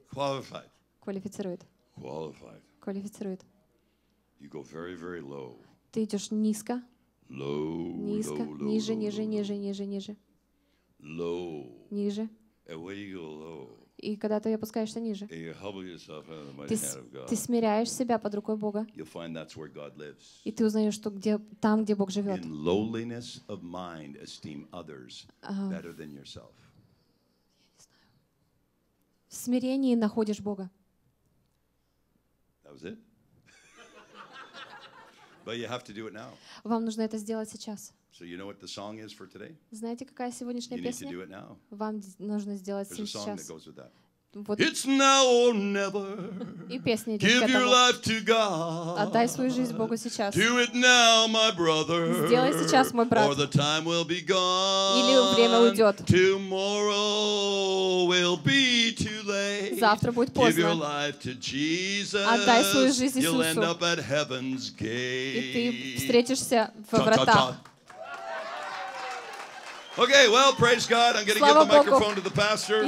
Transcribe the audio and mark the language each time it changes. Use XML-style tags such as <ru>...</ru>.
<en>Qualified.</en> <ru>Квалифицирует.</ru> <en>Qualified.</en> <ru>Квалифицирует.</ru> <en>You go very, very low.</en> <ru>Ты идешь низко.</ru> <en>Low,</en> <ru>низко.</ru> <en>Low, low,</en> <ru>ниже, ниже, ниже, ниже, ниже, ниже.</ru> <en>Low.</en> <ru>Ниже.</ru> <en>And when you go low,</en> <ru>и когда ты опускаешься ниже,</ru> <en>and you humble yourself under the mighty hand of God,</en> <ru>ты смиряешь себя под рукой Бога,</ru> <en>you'll find that's where God lives.</en> <ru>И ты узнаешь, что где, там, где Бог живет.</ru> <en>In lowliness of mind, esteem others better than yourself.</en> <ru>В смирении находишь Бога.</ru> <en>That was it? But you have to do it now.</en> <ru>Вам нужно это сделать сейчас.</ru> <en>So you know what the song is for today?</en> <ru>Знаете, какая сегодняшняя</ru> <en>песня? You need to do it now.</en> <ru>Вам нужно сделать сейчас.</ru> <en>There's a song that goes with that. It's now or never.</en> <ru>И песня идет к</ru> <en>этому. Give your life to God.</en> <ru>Отдай свою жизнь Богу сейчас.</ru> <en>Do it now, my brother.</en> <ru>Сделай сейчас, мой брат.</ru> <en>Or the time will be gone.</en> <ru>Или время уйдет.</ru> <en>Tomorrow will be too late.</en> <ru>Завтра будет поздно.</ru> <en>Give your life to Jesus.</en> <ru>Отдай свою жизнь Иисусу.</ru> <en>You'll end up at heaven's gate.</en> <ru>И ты встретишься в вратах.</ru> <en>Okay, well, praise God. I'm going to give the microphone to the pastor.</en>